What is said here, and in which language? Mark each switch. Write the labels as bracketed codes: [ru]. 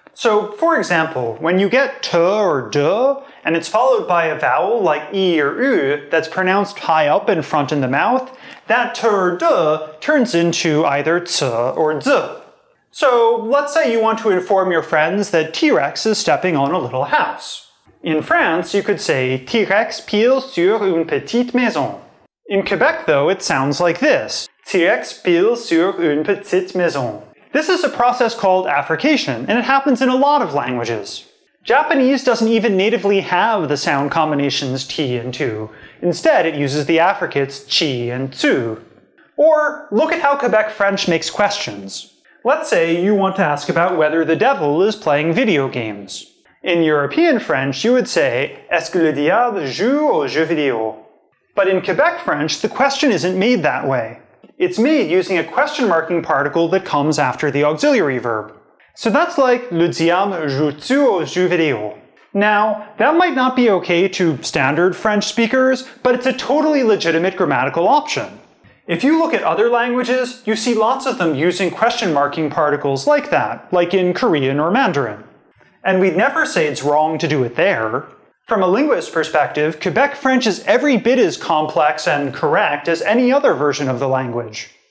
[en] So, for example, when you get te or de, and it's followed by a vowel like e or u that's pronounced high up in front in the mouth, that te or de turns into either ce or ze. So, let's say you want to inform your friends that T-Rex is stepping on a little house. In France, you could say T-Rex [fr] pile sur une petite maison. [en] In Quebec, though, it sounds like this. [fr] T-Rex pile sur une petite maison. [en] This is a process called affrication, and it happens in a lot of languages. Japanese doesn't even natively have the sound combinations T and tu. Instead, it uses the affricates chi and tsu. Or, look at how Quebec French makes questions. Let's say you want to ask about whether the devil is playing video games. In European French, you would say, [fr] est-ce que le diable joue aux jeux vidéo? [en] But in Quebec French, the question isn't made that way. It's made using a question marking particle that comes after the auxiliary verb. So that's like, [fr] le diable joue-tu aux jeux vidéo? [en] Now, that might not be okay to standard French speakers, but it's a totally legitimate grammatical option. If you look at other languages, you see lots of them using question marking particles like that, like in Korean or Mandarin. And we'd never say it's wrong to do it there. From a linguist's perspective, Quebec French is every bit as complex and correct as any other version of the language.